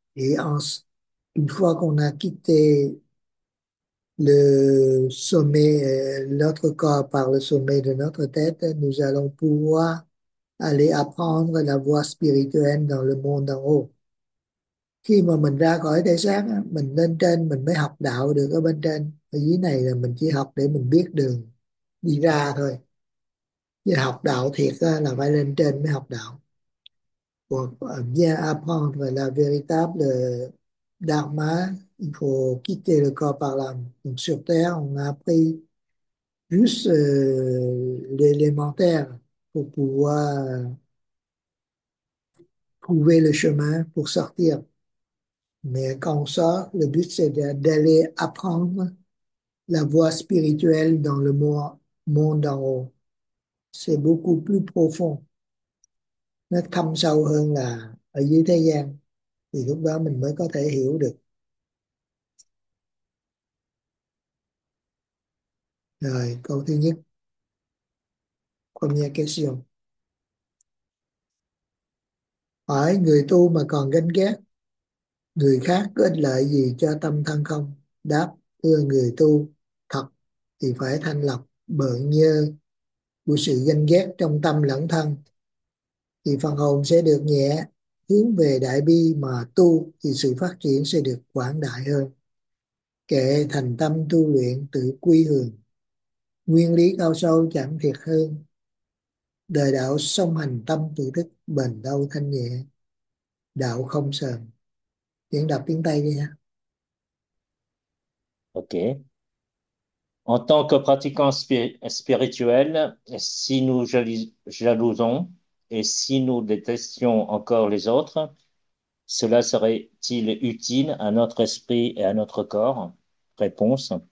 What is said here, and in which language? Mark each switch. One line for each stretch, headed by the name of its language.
French: Et une fois qu'on a quitté le sommet, notre corps par le sommet de notre tête, nous allons pouvoir aller apprendre la voie spirituelle dans le monde en haut.
Vietnamese: Khi mà mình ra khỏi thể xác, mình lên trên mình mới học đạo được ở bên trên. Ở dưới này là mình chỉ học để mình biết đường đi ra thôi. Chứ học đạo thiệt là phải lên trên mới học đạo.
French: Còn bien apprendre la véritable dharma, il faut quitter le corps par là. Donc sur Terre, on a appris juste l'élémentaire pour pouvoir trouver le chemin pour sortir. Mais quand on sort, le but c'est d'aller apprendre la voie spirituelle dans le monde en haut. C'est beaucoup plus profond.
Vietnamese: Nó thâm sâu hơn là ở dưới thế gian. Thì lúc đó mình mới có thể hiểu được. Rồi, câu thứ nhất.
French: Première question.
Vietnamese: Hỏi người tu mà còn ganh ghét, người khác có ích lợi gì cho tâm thân không? Đáp, thưa người tu thật thì phải thanh lọc bợn nhơ của sự ganh ghét trong tâm lẫn thân thì phần hồn sẽ được nhẹ, hướng về đại bi mà tu thì sự phát triển sẽ được quảng đại hơn. Kệ thành tâm tu luyện tự quy hướng, nguyên lý cao sâu chẳng thiệt hơn, đời đạo song hành tâm tự thức, bền đâu thanh nhẹ đạo không sờn. Tiếng đọc tiếng Tây đi nha.
English: Okay.
French: En tant que pratiquants spirituels, si nous jalousons et si nous détestions encore les autres, cela serait-il utile à notre esprit et à notre corps? Réponse.